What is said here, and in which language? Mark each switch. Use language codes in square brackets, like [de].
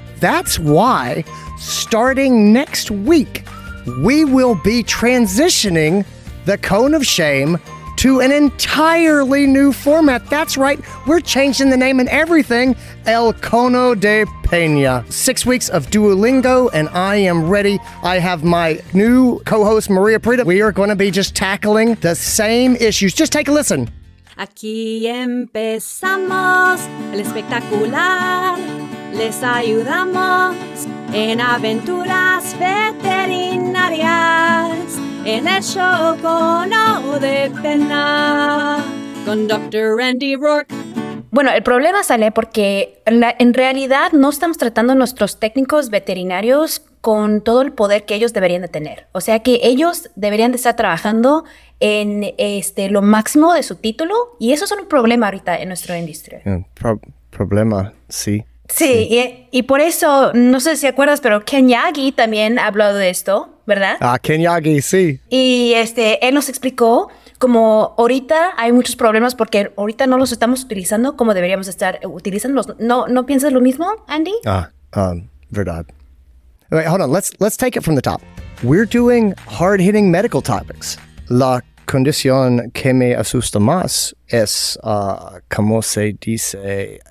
[en] That's why, starting next week, we will be transitioning the Cone of Shame to an entirely new format. That's right, we're changing the name and everything, El Cono de Peña. 6 weeks of Duolingo, and I am ready. I have my new co-host, Maria Prita. We are gonna be just tackling the same issues. Just take a listen. [es] Aquí empezamos el espectacular. Les ayudamos en aventuras veterinarias. En el show Cono de Peña con Dr. Randy Rourke. Bueno, el problema sale porque en realidad no estamos tratando a nuestros técnicos veterinarios con todo el poder que ellos deberían de tener. O sea que ellos deberían de estar trabajando en lo máximo de su título, y eso es un problema ahorita en nuestra industria. Problema, sí. Sí, sí. Y por eso, no sé si acuerdas, pero Ken Yagi también ha hablado de esto, ¿verdad? Ah, Ken Yagi, sí. Y él nos explicó como ahorita hay muchos problemas porque ahorita no los estamos utilizando como deberíamos estar utilizándolos. ¿No piensas lo mismo, Andy? Verdad. [en] Wait, hold on, let's take it from the top. We're doing hard-hitting medical topics. [es] La condición que me asusta más es, ¿cómo se dice?